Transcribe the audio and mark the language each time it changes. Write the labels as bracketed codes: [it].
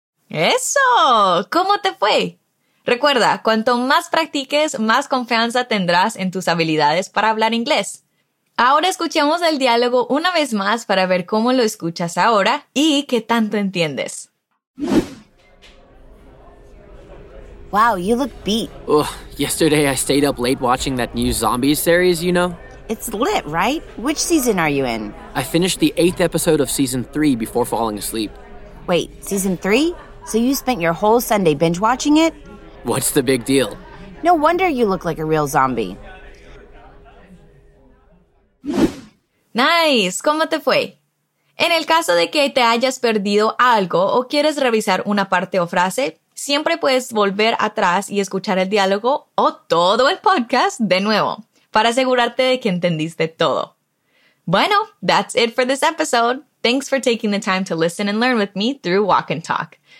[es] ¡Eso! ¿Cómo te fue? Recuerda, cuanto más practiques, más confianza tendrás en tus habilidades para hablar inglés. Ahora escuchemos el diálogo una vez más para ver cómo lo escuchas ahora y qué tanto entiendes. [en] Wow, you look beat. Ugh, yesterday I stayed up late watching that new zombies series, you know? It's lit, right? Which season are you in? I finished the 8th episode of season 3 before falling asleep. Wait, season 3? So you spent your whole Sunday binge-watching it? What's the big deal? No wonder you look like a real zombie. Nice! [es] ¿Cómo te fue? En el caso de que te hayas perdido algo o quieres revisar una parte o frase, siempre puedes volver atrás y escuchar el diálogo o todo el podcast de nuevo para asegurarte de que entendiste todo. [en] Bueno, that's it for this episode. Thanks for taking the time to listen and learn with me through Walk and Talk.